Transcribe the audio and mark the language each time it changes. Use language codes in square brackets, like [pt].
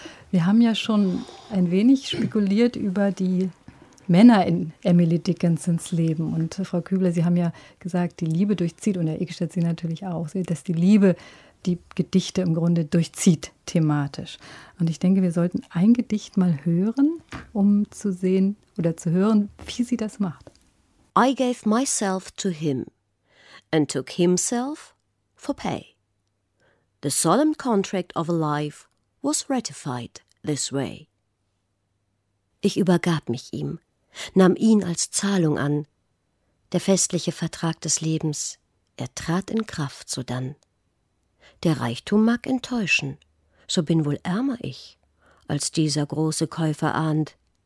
[de] Wir haben ja schon ein wenig spekuliert über die Männer in Emily Dickinsons Leben. Und Frau Kübler, Sie haben ja gesagt, die Liebe durchzieht, und Herr Ickstedt, Sie natürlich auch, dass die Liebe die Gedichte im Grunde durchzieht thematisch. Und ich denke, wir sollten ein Gedicht mal hören, um zu sehen oder zu hören, wie sie das macht. [en] I gave myself to him and took himself for pay. The solemn contract of a life was ratified this way. [de] Ich übergab mich ihm, nahm ihn als Zahlung an. Der festliche Vertrag des Lebens, er trat in Kraft sodann. Der Reichtum mag enttäuschen, so bin wohl ärmer ich, als dieser große Käufer ahnt.